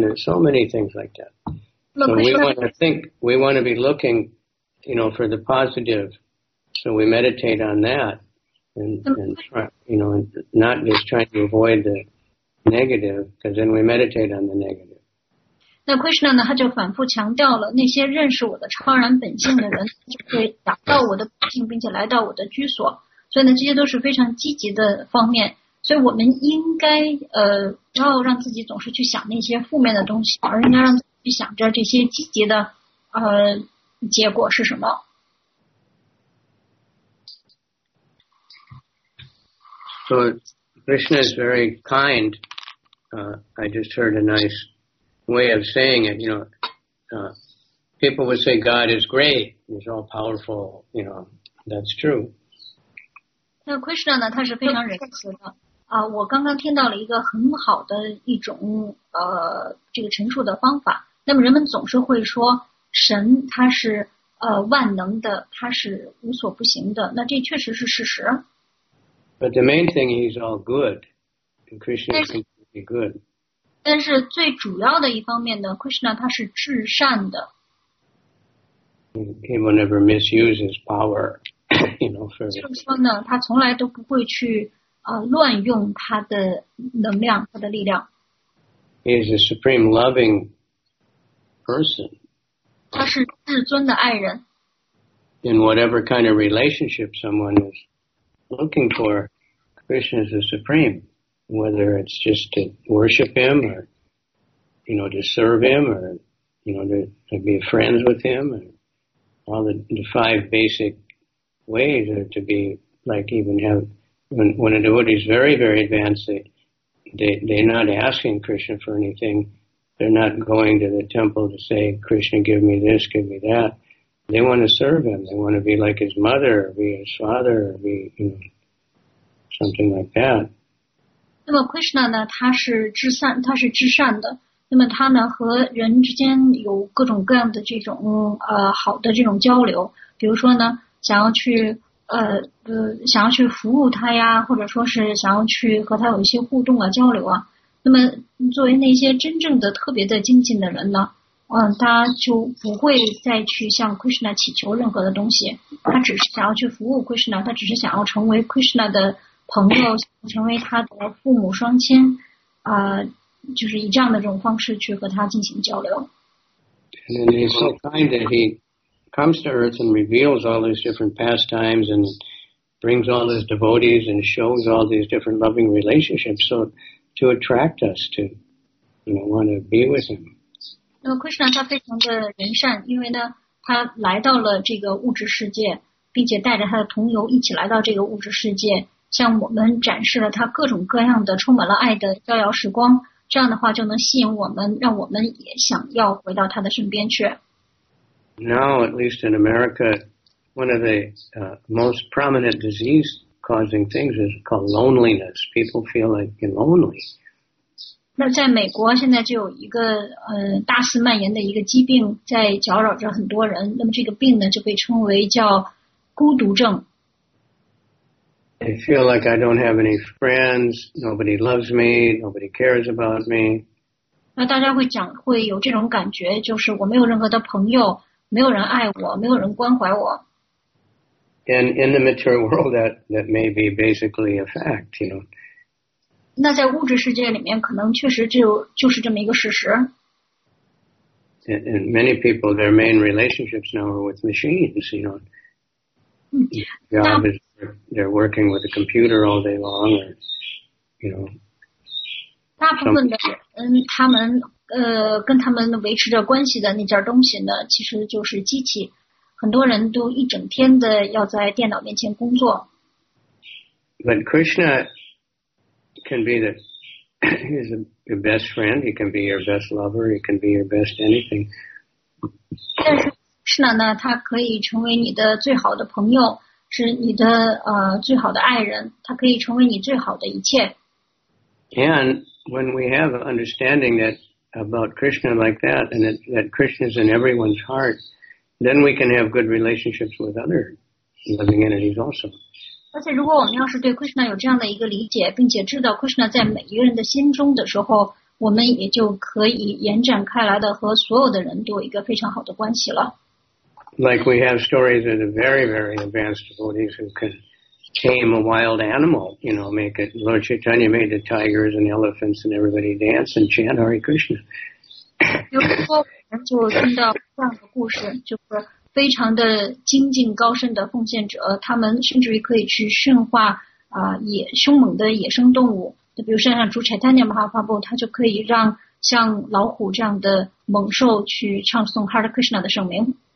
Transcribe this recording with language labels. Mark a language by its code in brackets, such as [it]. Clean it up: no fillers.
[en] There's so many things like that. So we want to think, we want to be looking, you know, for the positive. So we meditate on that and not just trying to avoid the negative, because then we meditate on the negative. [zh] 那 Krishna 呢，他就反复强调了，那些认识我的超然本性的人，就会达到我的本性，并且来到我的居所。所以呢，这些都是非常积极的方面。所以我们应该不要让自己总是去想那些负面的东西而应该让自己去想着这些积极的结果是什么 [en] So Krishna is very kind I just heard a nice way of saying it you know people would say God is great he's all powerful you know that's true [zh] 那 Krishna 呢他是非常仁慈的我刚刚听到了一个很好的一种这个陈述的方法。那么人们总是会说神他是万能的，他是无所不行的。那这确实是事实。 [en] But the main thing is all good. Krishna is completely good. [zh] 但是最主要的一方面呢 ，Krishna 他是至善的。 [en] He will never misuse his power, you know. For [zh] 就是说呢，他从来都不会去。乱用他的能量，他的力量。 [en] He is a supreme loving person. [zh] 他是至尊的爱人。 [en] In whatever kind of relationship someone is looking for, Krishna is the supreme. Whether it's just to worship him or, you know, to serve him or, you know, to be friends with him or all the five basic ways are to be like even have. When a devotee is very, very advanced, they're not asking Krishna for anything. They're not going to the temple to say, Krishna, give me this, give me that. They want to serve him. They want to be like his mother, or be his father, or be, you know, something like that. [zh] 那么 Krishna 呢，他是至善，他是至善的。那么他呢，和人之间有各种各样的这种好的这种交流。比如说呢，想要去。想要去服务他呀，或者说是想要去和他有一些互动啊、交流啊。那么，作为那些真正的特别的精进的人呢，他就不会再去向 Krishna 祈求任何的东西，他只是想要去服务 Krishna， 他只是想要成为 Krishna 的朋友，成为他的父母双亲，就是以这样的这种方式去和他进行交流。 [en] And then he's so kind that he comes to earth and reveals all these different pastimes and brings all his devotees and shows all these different loving relationships so to attract us to, you know, want to be with him. [zh] 那么 Krishna 他非常的仁善，因为呢，他来到了这个物质世界，并且带着他的同游一起来到这个物质世界，向我们展示了他各种各样的充满了爱的逍遥时光。这样的话就能吸引我们，让我们也想要回到他的身边去。 [en] Now, at least in America, one of the most prominent disease-causing things is called loneliness. People feel like they're lonely. [zh] 那在美国现在就有一个大肆蔓延的一个疾病在搅扰着很多人。那么这个病呢就被称为叫孤独症。 [en] I feel like I don't have any friends, nobody loves me, nobody cares about me. [zh] 那大家会讲会有这种感觉，就是我没有任何的朋友，没有人爱我，没有人关怀我。 [en] And in the material world, that may be basically a fact, you know. [zh] 那在物质世界里面，可能确实就是这么一个事实。 [en] And many people, their main relationships now are with machines, you know. Job is they're working with a computer all day long, or, you know. [zh] 大部分的人，他们跟他们维持着关系的那件东西呢，其实就是机器。很多人都一整天的要在电脑面前工作。 [en] But Krishna can be he's your best friend. He can be your best lover. He can be your best anything. [zh] 但是 Krishna 呢，他可以成为你的最好的朋友，是你的最好的爱人，他可以成为你最好的一切。 [en] And when we have an understanding that. About Krishna like that, and that Krishna is in everyone's heart, then we can have good relationships with other living entities also. [zh] 而且，如果我们要是对 Krishna 有这样的一个理解，并且知道 Krishna 在每一个人的心中的时候，我们也就可以延展开来的和所有的人都有一个非常好的关系了。 [en] Like we have stories of the very, very advanced devotees who can tame a wild animal, you know, make it, Lord Chaitanya made the tigers and elephants and everybody dance and chant Hare Krishna. [zh] 有时候我们就听到这样的故事，就是非常的精进高深的奉献者，他们甚至于可以去驯化凶猛的野生动物，比如像主 Chaitanya Mahaprabhu, 他就可以让像老虎这样的猛兽去唱诵 Hare Krishna 的圣名。